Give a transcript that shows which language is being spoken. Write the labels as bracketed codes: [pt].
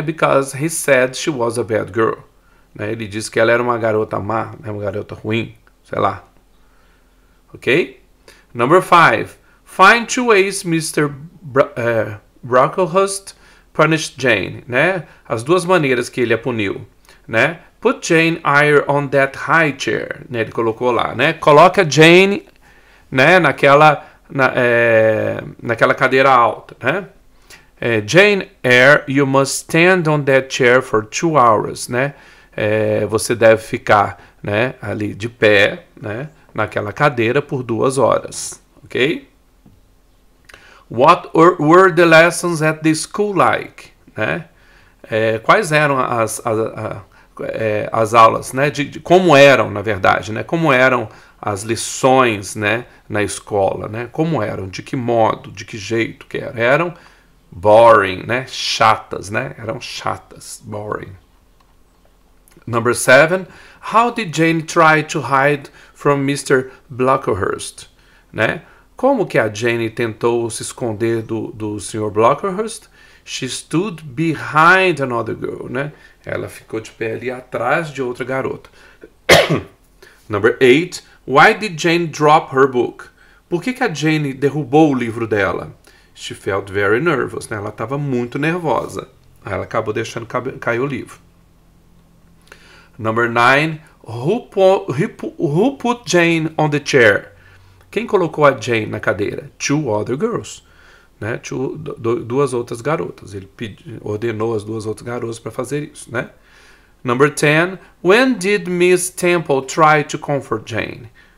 [en] Because he said she was a bad girl. [pt] Né? Ele disse que ela era uma garota má, né? Uma garota ruim, sei lá. [en] Ok? Number five. Find two ways Mr. [pt] Brocklehurst [en] punished Jane. [pt] Né? As duas maneiras que ele a puniu. Né? [en] Put Jane higher on that high chair. Né? [pt] Ele colocou lá. [en] Né? [pt] Coloca Jane, né, naquela cadeira alta, né? [en] Jane Eyre, you must stand on that chair for 2 hours, né? [pt] Você deve ficar, né, ali de pé, né, naquela cadeira por 2 horas, ok? [en] What were the lessons at the school like, né? [pt] Quais eram as aulas, né? De como eram, na verdade, né? Como eram as lições, né, na escola, né? Como eram, de que modo, de que jeito que eram? Eram boring, né? Chatas, né? Eram chatas, boring. [en] Number seven, how did Jane try to hide from Mr. [pt] Blockhurst? Né? Como que a Jane tentou se esconder do Sr. Blockhurst? [en] She stood behind another girl, né? [pt] Ela ficou de pé ali atrás de outra garota. [en] Number eight, why did Jane drop her book? [pt] Por que que a Jane derrubou o livro dela? [en] She felt very nervous, [pt] né? Ela estava muito nervosa. Aí ela acabou deixando cair o livro. [en] Number nine, who put Jane on the chair? [pt] Quem colocou a Jane na cadeira? [en] Two other girls, [pt] né? Duas outras garotas. Ele ordenou as duas outras garotas para fazer isso, né? [en] Number ten, when did Miss Temple try to comfort Jane?